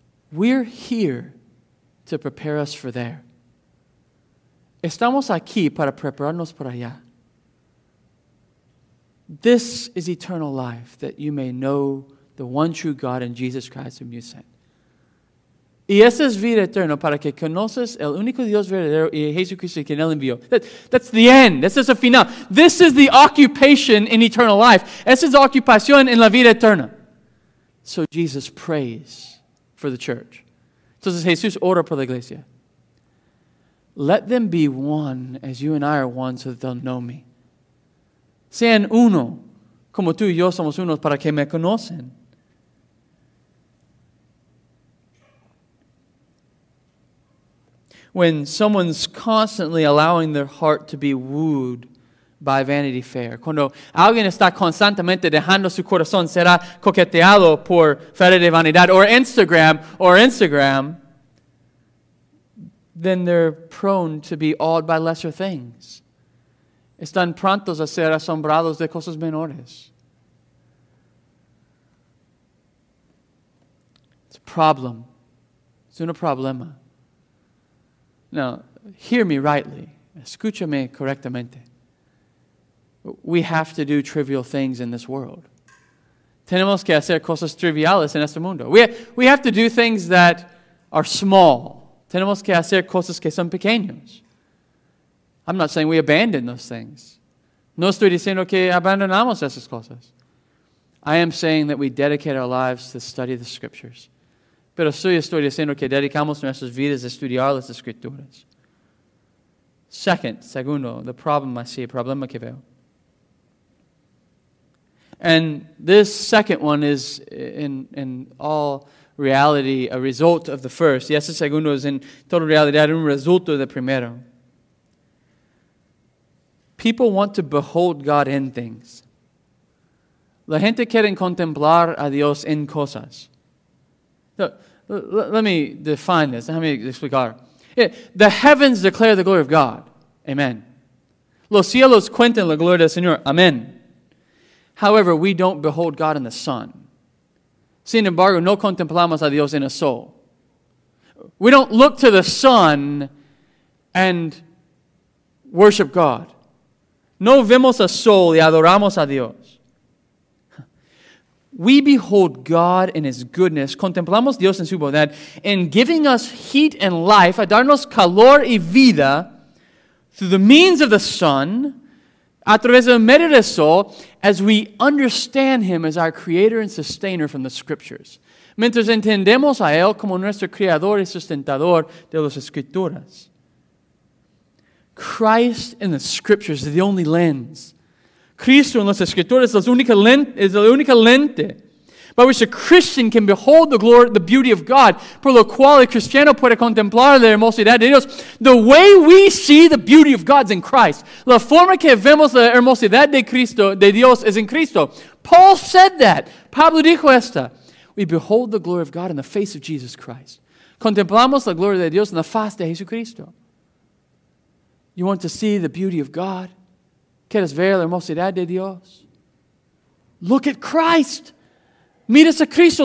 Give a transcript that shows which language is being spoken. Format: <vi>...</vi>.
<en>We're here to prepare us for there.</en> <es>Estamos aquí para prepararnos para allá.</es> <en>This is eternal life, that you may know the one true God and Jesus Christ whom you sent.</en> <es>Y esa es vida eterna para que conoces el único Dios verdadero y Jesucristo quien él envió.</es> <en>That's the end. This is the final. This is the occupation in eternal life.</en> <es>Esa es la ocupación en la vida eterna.</es> <en>So Jesus prays for the church.</en> <es>Entonces Jesús ora por la iglesia.</es> <en>Let them be one as you and I are one so that they'll know me.</en> <es>Sean uno como tú y yo somos unos para que me conocen.</es> <en>When someone's constantly allowing their heart to be wooed by Vanity Fair.</en> <es>Cuando alguien está constantemente dejando su corazón será coqueteado por Feria de Vanidad or Instagram.</es> <en>Then they're prone to be awed by lesser things.</en> <es>Están prontos a ser asombrados de cosas menores.</es> <en>It's a problem.</en> <es>Es un problema.</es> <en>Now, hear me rightly.</en> <es>Escúchame correctamente.</es> <en>We have to do trivial things in this world.</en> <es>Tenemos que hacer cosas triviales en este mundo.</es> <en>We have to do things that are small.</en> <es>Tenemos que hacer cosas que son pequeños.</es> <en>I'm not saying we abandon those things.</en> <es>No estoy diciendo que abandonamos esas cosas.</es> <en>I am saying that we dedicate our lives to study the scriptures.</en> <es>Pero sí estoy diciendo que dedicamos nuestras vidas a estudiar las escrituras. Segundo,</es> <en>the problem I see,</en> <es>el problema que veo.</es> <en>And this second one is in all reality, a result of the first.</en> <es>Y ese segundo es en toda realidad un resultado del primero.</es> <en>People want to behold God in things.</en> <es>La gente quiere contemplar a Dios en cosas.</es> <en>So, let me define this. Let me explicar. Yeah, the heavens declare the glory of God. Amen.</en> <es>Los cielos cuentan la gloria del Señor.</es> <en>Amen. However, we don't behold God in the sun.</en> <es>Sin embargo, no contemplamos a Dios en el sol.</es> <en>We don't look to the sun and worship God.</en> <es>No vemos al sol y adoramos a Dios.</es> <en>We behold God in His goodness.</en> <es>Contemplamos Dios en su bondad</es> <en>in giving us heat and life,</en> <es>a darnos calor y vida</es> <en>through the means of the sun,</en> <es>a través del medio del sol,</es> <en>as we understand Him as our Creator and Sustainer from the Scriptures.</en> <es>Mientras entendemos a Él como nuestro Creador y Sustentador de las Escrituras.</es> <en>Christ in the Scriptures is the only lens.</en> <es>Cristo en las Escrituras es la única lente</es> <en>by which a Christian can behold the glory, the beauty of God,</en> <es>por lo cual el cristiano puede contemplar la hermosidad de Dios.</es> <en>The way we see the beauty of God is in Christ.</en> <es>La forma que vemos la hermosidad de Cristo, de Dios, es en Cristo.</es> <en>Paul said that.</en> <es>Pablo dijo esta.</es> <en>We behold the glory of God in the face of Jesus Christ.</en> <es>Contemplamos la gloria de Dios en la faz de Jesucristo.</es> <en>You want to see the beauty of God?</en> <es>¿Quieres ver la hermosidad de Dios?</es> <en>Look at Christ.</en> <es>Mira a Cristo.</es>